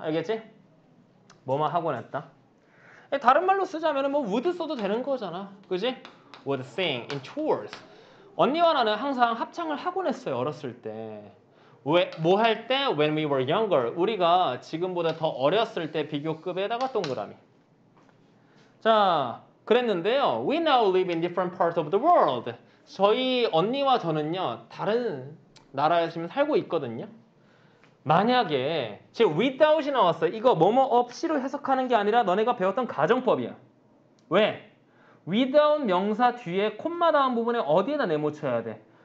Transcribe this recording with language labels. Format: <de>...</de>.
<ko>알겠지? 뭐뭐 하곤 했다. 다른 말로 쓰자면 뭐 would 써도 되는 거잖아. 그지?</ko> <en>Would sing in chores.</en> <ko>언니와 나는 항상 합창을 하곤 했어요. 어렸을 때. 왜, 뭐 할 때?</ko> <en>When we were younger.</en> <ko>우리가 지금보다 더 어렸을 때 비교급에다가 동그라미. 자, 그랬는데요.</ko> <en>We now live in different parts of the world.</en> <ko>저희 언니와 저는요. 다른 나라에 지금 살고 있거든요. 만약에 제 without이 나왔어요. 이거 뭐뭐 없이로 해석하는 게 아니라 너네가 배웠던 가정법이야. 왜? without 명사 뒤에 콤마 다음 부분에 어디에다 네모쳐야 돼?</ko>